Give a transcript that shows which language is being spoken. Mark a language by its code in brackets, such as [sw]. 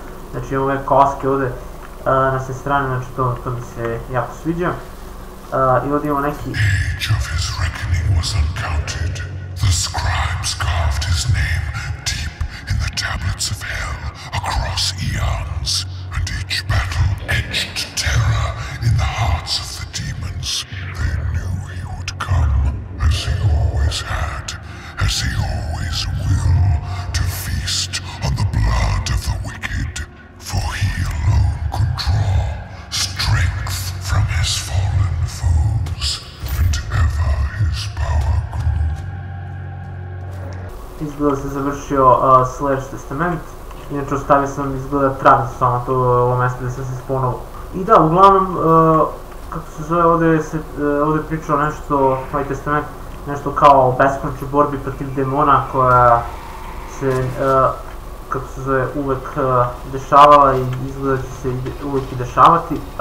[sr] Znači imamo ove koske ovde na sve strane, znači to, to mi se jako sviđa. I ovdje imamo neki... [en] Each of his reckoning was uncounted. The scribes carved his name deep in the tablets of hell across eons. And each battle etched terror in the hearts of the demons. They knew he would come as he always had, as he always will, to feast on the blood of the wicked. For he alone could draw strength from his fallen foes, and ever his power grew. [sr] Izgleda se završio Slayer's Testament. Inače ostavio sam izgleda travi samo to ovo mesto gde sam se sponovo. I da, uglavnom, kako se zove, ovde se ovde pričao nešto, ovaj testament, nešto kao o beskonačnoj borbi protiv demona koja se, kako se zove, uvek dešavala i izgleda će se uvek i dešavati.